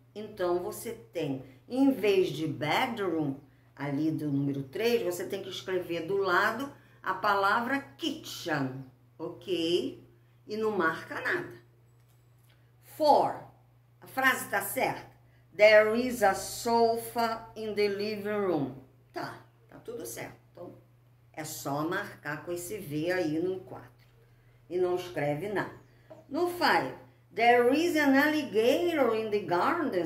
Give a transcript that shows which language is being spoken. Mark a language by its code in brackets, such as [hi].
[pt] Então, você tem, em vez de bedroom, ali do número 3, você tem que escrever do lado a palavra kitchen, ok? E não marca nada. 4. A frase está certa. [en] There is a sofa in the living room. [pt] Tá tudo certo. Então, é só marcar com esse V aí no quadro. E não escreve nada. [en] No 5, there is an alligator in the garden.